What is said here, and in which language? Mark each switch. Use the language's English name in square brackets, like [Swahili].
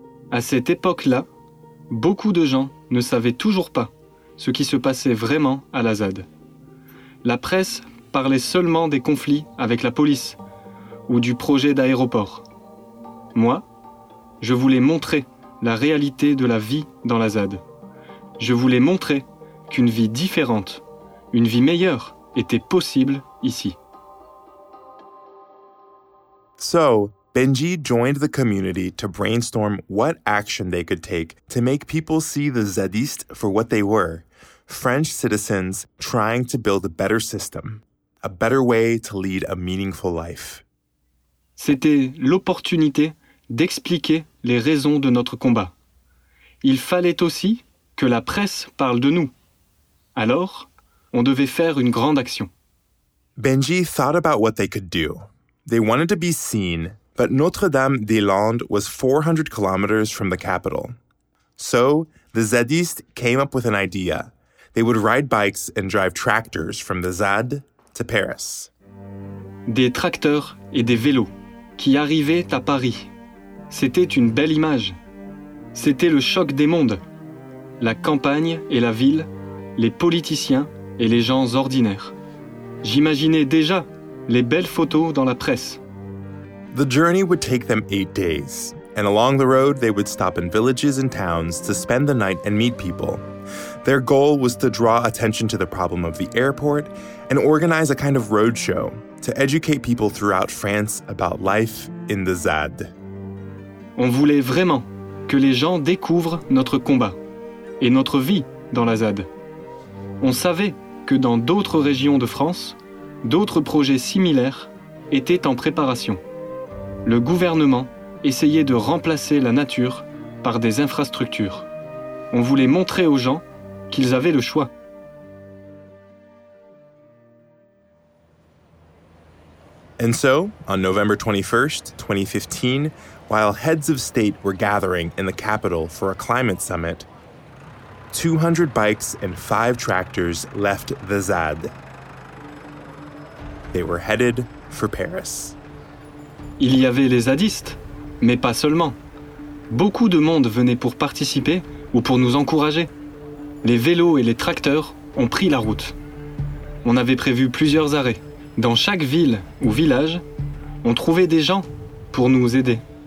[French] À cette époque-là, beaucoup de gens ne savaient toujours pas ce qui se passait vraiment à la ZAD. La presse parlait seulement des conflits avec la police ou du projet d'aéroport. Moi, je voulais montrer la réalité de la vie dans la ZAD. Je voulais montrer qu'une vie différente, une vie meilleure, était possible ici. [English] So, Benji joined the community to brainstorm what action they could take to make people see the Zadistes for what they were, French citizens trying to build a better system, a better way to lead a meaningful life. [French] C'était l'opportunité d'expliquer les raisons de notre combat. Il fallait aussi que la presse parle de nous. Alors, on devait faire une grande action. [English] Benji thought about what they could do. They wanted to be seen, but Notre-Dame-des-Landes was 400 kilometers from the capital. So, the Zadistes came up with an idea. They would ride bikes and drive tractors from the ZAD to Paris. [French] Des tracteurs et des vélos qui arrivaient à Paris. C'était une belle image. C'était le choc des mondes. La campagne et la ville, les politiciens et les gens ordinaires. J'imaginais déjà les belles photos dans la presse. [English] The journey would take them 8 days, and along the road they would stop in villages and towns to spend the night and meet people. Their goal was to draw attention to the problem of the airport and organize a kind of roadshow to educate people throughout France about life in the ZAD. [French] On voulait vraiment que les gens découvrent notre combat et notre vie dans la ZAD. On savait que dans d'autres régions de France, d'autres projets similaires étaient en préparation. Le gouvernement essayait de remplacer la nature par des infrastructures. On voulait montrer aux gens qu'ils avaient le choix. [English] And so, on November 21st, 2015, while heads of state were gathering in the capital for a climate summit, 200 bikes and 5 tractors left the ZAD. They were headed for Paris. [French] Il y avait les Zadistes, mais pas seulement. Beaucoup de monde venait pour participer ou pour nous encourager. Les vélos et les tracteurs ont pris la route. On avait prévu plusieurs arrêts. Dans chaque ville ou village, on trouvait des gens pour nous aider.